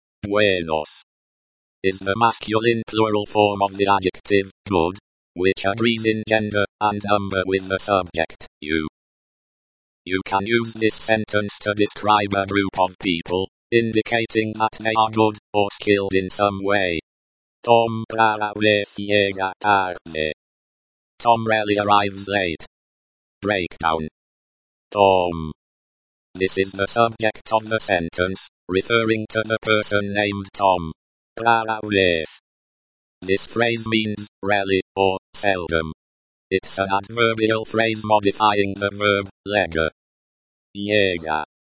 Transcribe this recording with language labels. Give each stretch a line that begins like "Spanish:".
English: Buenos is the masculine plural form of the adjective good, which agrees in gender and number with the subject, you. You can use this sentence to describe a group of people, indicating that they are good or skilled in some way.
Spanish: Tom rara vez llega tarde.
English: Tom rarely arrives late. Breakdown. Tom. This is the subject of the sentence, referring to the person named Tom.
Spanish: Rara vez.
English: This phrase means rarely or seldom. It's an adverbial phrase modifying the verb llega. Llega.